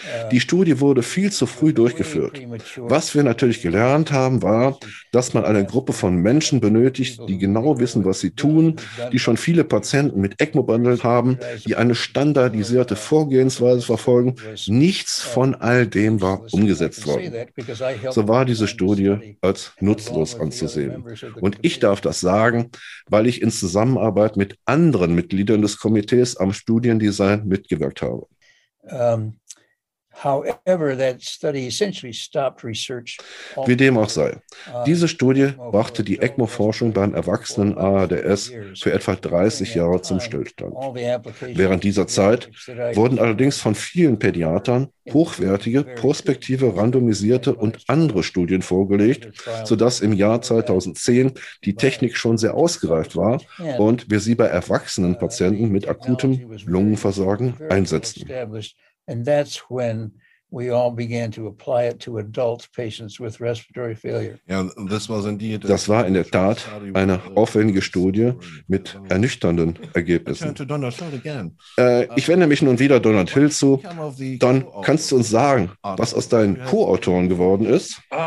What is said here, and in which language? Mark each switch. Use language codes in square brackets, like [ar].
[de] Die Studie wurde viel zu früh durchgeführt. Was wir natürlich gelernt haben, war, dass man eine Gruppe von Menschen benötigt, die genau wissen, was sie tun, die schon viele Patienten mit ECMO behandelt haben, die eine standardisierte Vorgehensweise verfolgen. Nichts von all dem war umgesetzt worden. So war diese Studie als nutzlos anzusehen. Und ich darf das sagen, weil ich in Zusammenarbeit mit anderen Mitgliedern des Komitees am Studiendesign mitgewirkt habe. [en] However, that study essentially stopped research. [de] Wie dem auch sei, diese Studie brachte die ECMO-Forschung beim erwachsenen ARDS für etwa 30 Jahre zum Stillstand. Während dieser Zeit wurden allerdings von vielen Pädiatern hochwertige, prospektive, randomisierte und andere Studien vorgelegt, sodass im Jahr 2010 die Technik schon sehr ausgereift war und wir sie bei erwachsenen Patienten mit akutem Lungenversagen einsetzten. [en] And that's when we all began to apply it to adult patients with respiratory failure. [de] Das war in der Tat eine aufwendige Studie mit ernüchternden Ergebnissen. Ich wende mich nun wieder Donald Hill zu. Don, kannst du uns sagen, was aus deinen Co-Autoren geworden ist?